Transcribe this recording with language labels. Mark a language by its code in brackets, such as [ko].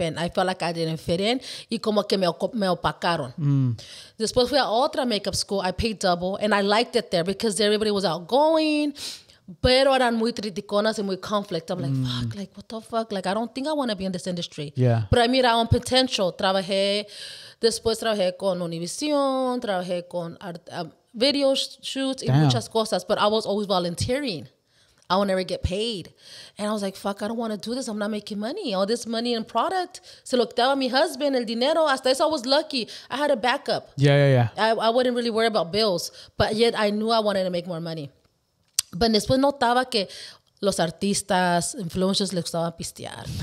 [en] And I felt like I didn't fit in. [es] Y como que me opacaron. Después fui a otra makeup school. [en] I paid double. And I liked it there because everybody was outgoing. [es] pero eran muy criticonas [en] and muy conflict. I'm like, fuck, like, what the fuck? Like, I don't think I want to be in this industry. Yeah. But I mean, I own potential. [es] Trabajé, después trabajé con Univision, trabajé con video shoots, damn, y muchas cosas. [en] But I was always volunteering. I will never get paid. And I was like, fuck, I don't want to do this. I'm not making money. All this money and product. [es] Se lo quitaba mi husband, el dinero. Hasta eso, [en] I was lucky. I had a backup. Yeah, yeah, yeah. I wouldn't really worry about bills. But yet, I knew I wanted to make more money. [es] But después notaba que los artistas, influencers, le gustaba pistear.